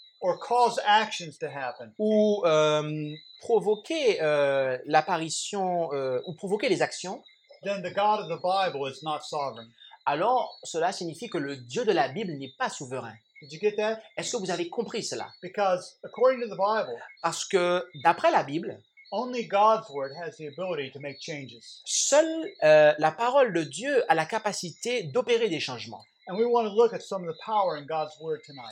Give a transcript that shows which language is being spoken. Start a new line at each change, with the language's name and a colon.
English: Or cause actions to happen.
French: Ou provoquer l'apparition ou provoquer les actions.
English: Then the God of the Bible is not sovereign.
French: Alors cela signifie que le Dieu de la Bible n'est pas souverain.
English: Did you get that?
French: Est-ce que vous avez compris cela?
English: Because according to the Bible.
French: Parce que d'après la Bible.
English: Only God's word has the ability to make changes.
French: Seule la parole de Dieu a la capacité d'opérer des changements.
English: And we want to look at some of the power in God's word tonight.